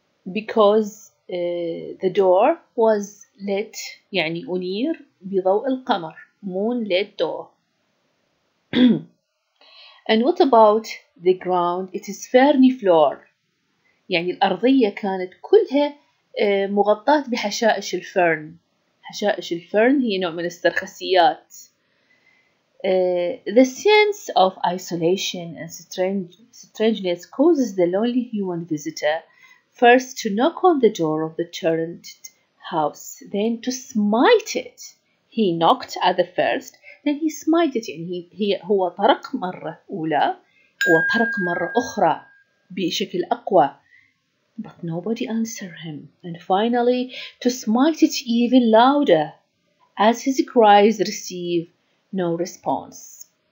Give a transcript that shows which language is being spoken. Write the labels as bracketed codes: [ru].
[en] Because the door was lit, [ar] يعني أنير بضوء القمر, [en] moonlit door. And what about the ground? It is ferny floor. [ar] يعني الأرضية كانت كلها مغطاة بحشائش الفرن. حشائش الفرن هي نوع من السرخسيات. [en] The sense of isolation and strangeness causes the lonely human visitor first to knock on the door of the turreted house, then to smite it. He knocked at the first, then he smited it. [ar] يعني هو طرق مرة أولى وطرق مرة أخرى بشكل أقوى. [en] But nobody answered him. And finally, to smite it even louder, as his cries receive no response.